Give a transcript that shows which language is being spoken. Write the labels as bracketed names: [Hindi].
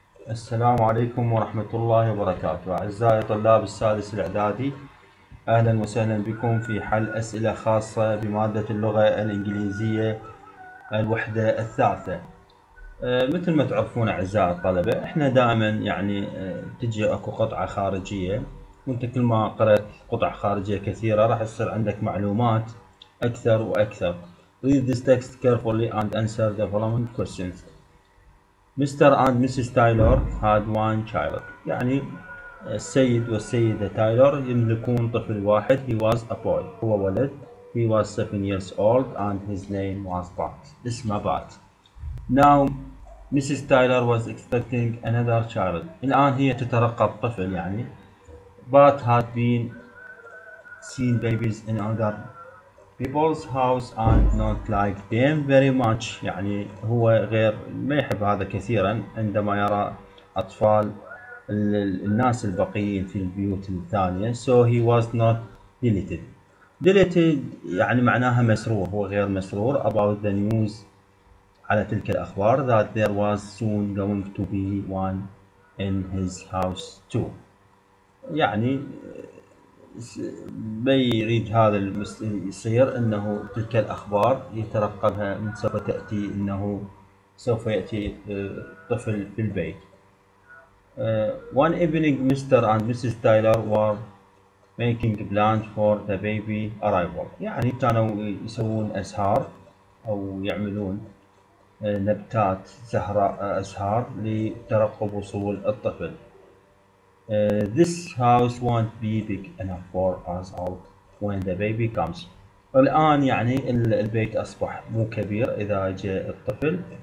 [Arabic] السلام عليكم ورحمة الله وبركاته. أعزائي طلاب السادس الإعدادي، أهلا وسهلا بكم في حل أسئلة خاصة بمادة اللغة الإنجليزية الوحدة الثالثة. مثل ما تعرفون أعزائي الطلبة، إحنا دائما يعني تجي أكو قطعة خارجية، وأنت كل ما قرأت قطع خارجية كثيرة راح يصير عندك معلومات أكثر وأكثر. [English] Read this text carefully and answer the following questions. Mr. and Mrs. Taylor had one child. [Arabic] يعني السيد والسيدة تايلور يملكون طفل واحد. [English] He was a boy. [Arabic] هو ولد. [English] He was 7 years old and his name was Bart. [Arabic] اسمه بات. [English] Now Mrs. Taylor was expecting another child. [Arabic] الآن هي تترقب طفل يعني. [English] Bart had been seen babies in other people's house and not like them very much. [Arabic] يعني هو غير ما يحب هذا كثيرا عندما يرى أطفال الناس البقيين في البيوت الثانية. [English] So he was not delighted. Delighted [Arabic] يعني معناها مسرور، هو غير مسرور [English] about the news [Arabic] على تلك الأخبار [English] that there was soon going to be one in his house too. [Arabic] يعني ما يريد هذا يصير انه تلك الاخبار يترقبها من سوف تاتي انه سوف ياتي طفل في البيت. [English] One evening Mr. and Mrs. Taylor were making plans for the baby arrival. [Arabic] يعني كانوا يسوون ازهار او يعملون نبتات زهراء ازهار لترقب وصول الطفل. [English] This house won't be big enough for us all when the baby comes. [Arabic] الآن يعني البيت أصبح مو كبير إذا جاء الطفل.